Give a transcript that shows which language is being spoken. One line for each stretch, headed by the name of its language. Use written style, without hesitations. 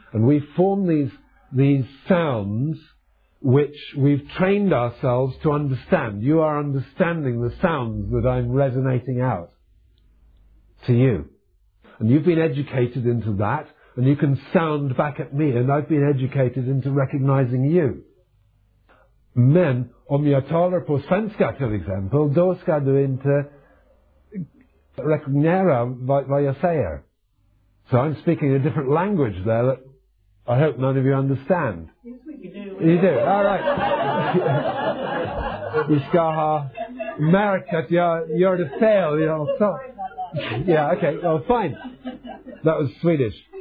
English: And we form these sounds which we've trained ourselves to understand. You are understanding the sounds that I'm resonating out to you. And you've been educated into that, and you can sound back at me, and I've been educated into recognizing you.
Swedish: Men, om jag talar på svenska till exempel, då ska du inte rekognera vad jag säger.
English: So I'm speaking a different language there that I hope none of you understand. Yes, we do. You do? All right. You
Swedish: ska ha märkt att
English: you're to fail, you know. So, yeah, okay, well, fine. That was Swedish.